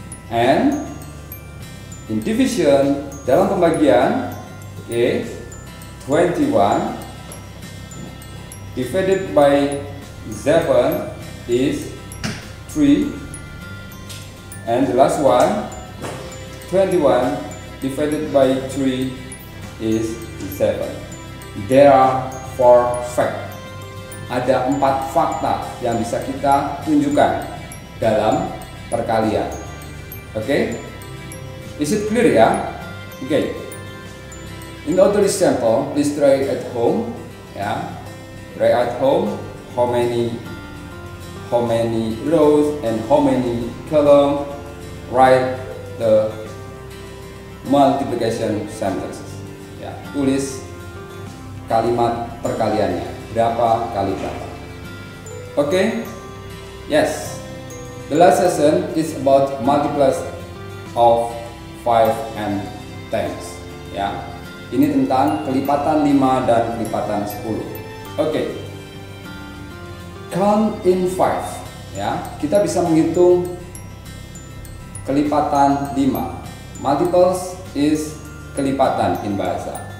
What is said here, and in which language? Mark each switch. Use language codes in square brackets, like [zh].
[en] And in division, [id] dalam pembagian, [en] is 21 divided by 7 is 3, and the last one, 21 divided by 3 is 7. There are 4 facts. [id] Ada 4 fakta yang bisa kita tunjukkan dalam perkalian. [en] Okay? Is it clear ya? Okay. In the other example, please try at home. Yeah. Try at home, how many rows and how many columns, write the multiplication sentences. Yeah. [id] Tulis kalimat perkaliannya, berapa kali berapa. [en] Okay, yes. The last session is about multiples of 5 and 10. Yeah. [id] Ini tentang kelipatan 5 dan kelipatan 10. Okay, [en] count in 5, [id] ya. Kita bisa menghitung kelipatan 5. [en] Multiples is kelipatan in bahasa.